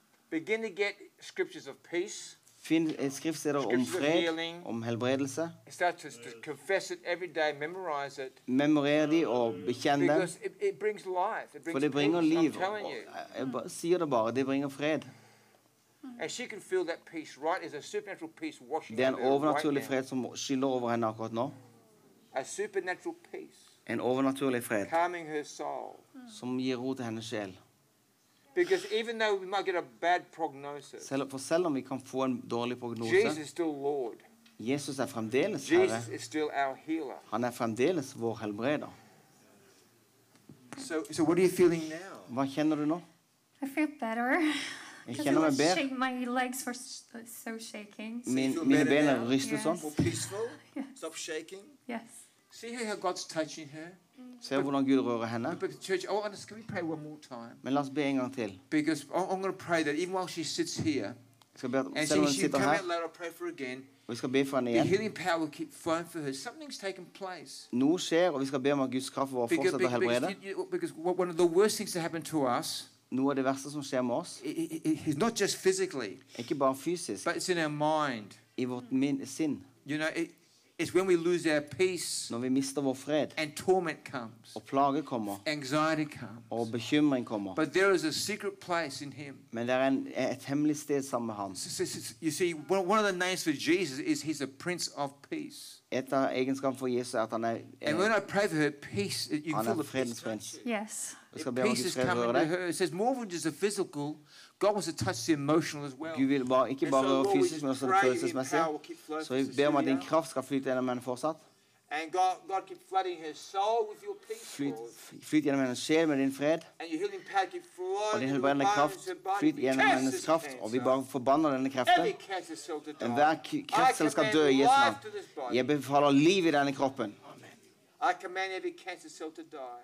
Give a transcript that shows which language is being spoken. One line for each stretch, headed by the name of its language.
English: begin to get scriptures of peace.
Norwegian: Finn skriftsteder om fred, om helbredelse.
English: Start to confess it every day, memorize it.
Norwegian: Memorer de og bekjenn dem.
English: Because it brings life. It brings
Norwegian: for det bringer
English: peace,
Norwegian: liv.
English: I'm telling you.
Norwegian: Jeg sier det bare, det bringer fred.
English: And she can feel that peace, right? It's a supernatural peace washing over her.
Norwegian: Det er en overnaturlig fred som skyller over henne akkurat nå.
English: A supernatural peace.
Norwegian: En overnaturlig fred.
English: Calming her soul.
Norwegian: Som gir ro til hennes sjel.
English: Because even though we might get a bad prognosis,
Norwegian: selv om vi kan få en dårlig prognose,
English: Jesus is still Lord.
Norwegian: Jesus er fremdeles Jesus Herre.
English: Is still our healer.
Norwegian: Han er fremdeles vår helbreder.
English: So what are you feeling now?
Norwegian: Hva kjenner du nå?
English: I feel better.
Norwegian: Jeg kjenner meg bedre.
English: My legs were so shaking.
Norwegian: Mine ben er rystet sånn.
English: Stop shaking. Yes. See how God's touching her.
Norwegian: Se hvordan Gud rører henne.
English: Church, oh, and can we pray one more time?
Norwegian: Men la oss be en gang til.
English: Because I'm going to pray that even while she sits here,
Norwegian: vi skal be for henne igjen.
English: The healing power will keep flowing for her. Something's taken place.
Norwegian: Noe skjer, og vi skal be om at Guds kraft vil fortsette å helbrede.
English: Because one of the worst things that happened to us.
Norwegian: Noe av det verste som skjer med oss.
English: It's not just physically.
Norwegian: Ikke bare fysisk.
English: But it's in our mind.
Norwegian: I vårt min sinn.
English: You know, it's when we lose our peace.
Norwegian: Når vi mister vår fred.
English: And torment comes.
Norwegian: Og plage kommer.
English: Anxiety comes.
Norwegian: Og bekymring kommer.
English: But there is a secret place in him.
Norwegian: Men det et hemmelig sted sammen med ham.
English: You see, one of the names for Jesus is he's a prince of peace.
Norwegian: Et av egenskapene for Jesus at han
English: and when I pray for her peace, you can feel the
Norwegian: fredens prins.
English: Yes. Peace is coming to her. It says more than just a physical. God wants to touch the emotional as well.
Norwegian: Gud vil bare ikke bare røre fysisk, men også følelsesmessig. Så vi ber om at din kraft skal flyte gjennom henne fortsatt.
English: And God keep flooding her soul with your peace.
Norwegian: Flyt gjennom hennes sjel med din fred.
English: And your healing power keep flowing.
Norwegian: Og din helbredende kraft flyt gjennom hennes kraft. Og vi bare forbanner denne kraften. En hver kreftcell skal dø i Jesu navn. Jeg befaler liv i denne kroppen.
English: I command every cancer cell to die.